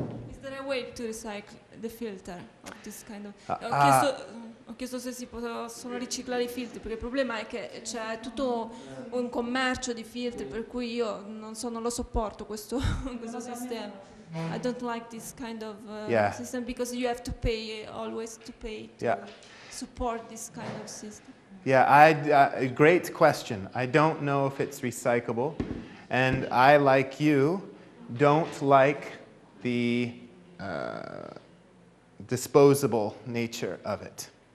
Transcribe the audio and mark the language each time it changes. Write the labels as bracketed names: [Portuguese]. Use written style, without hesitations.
[English] Is there a way to recycle the filter of this kind of... [Italian] Ho chiesto se si possono riciclare i filtri, perché il problema è che c'è tutto un commercio di filtri, per cui io non lo sopporto questo sistema. [English] I don't like this kind of system, because you have to pay, always to pay to support this kind of system. Yeah, great question. I don't know if it's recyclable, and I, like you, don't like the disposable nature of it.